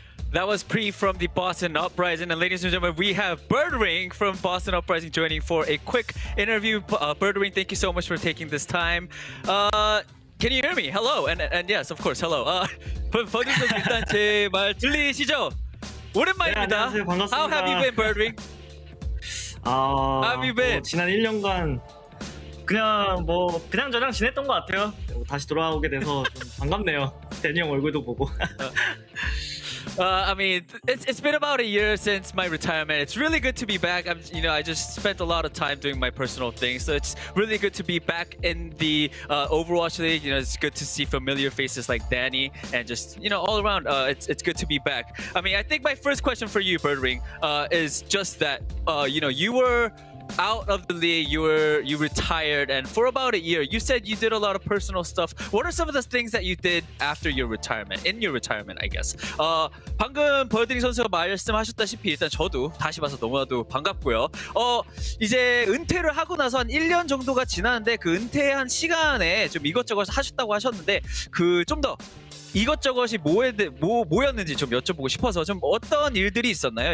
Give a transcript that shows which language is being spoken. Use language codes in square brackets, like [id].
[en] That was Pree from the Boston Uprising, and ladies and gentlemen, we have Birdring from Boston Uprising joining for a quick interview. Birdring, thank you so much for taking this time. Can you hear me? Hello, and yes, of course, hello. [ko] 보기는 일단 제 말 들리시죠? 오랜만입니다. 네, 반갑습니다. [en] How have you been, Birdring? Have you been? [ko] 지난 1년간 그냥 뭐 그냥 저냥 지냈던 것 같아요. 다시 돌아오게 돼서 좀 반갑네요. 대니 형 얼굴도 보고. [en] I mean, it's been about a year since my retirement. It's really good to be back. I just spent a lot of time doing my personal things, so it's really good to be back in the Overwatch League. You know, it's good to see familiar faces like Danny, and just, you know, all around, it's good to be back. I mean, I think my first question for you, Birdring, is just that, you know, you were out of the league, you retired, and for about a year, you said you did a lot of personal stuff. What are some of the things that you did after your retirement? In your retirement, I guess. [ko] 방금 버드링 선수가 말씀하셨다시피 일단 저도 다시 봐서 너무나도 반갑고요. 이제 은퇴를 하고 나서 한 1년 정도가 지났는데 그 은퇴한 시간에 좀 이것저것 하셨다고 하셨는데 그 좀 더 이것저것이 뭐였는지 좀 여쭤보고 싶어서 좀 어떤 일들이 있었나요?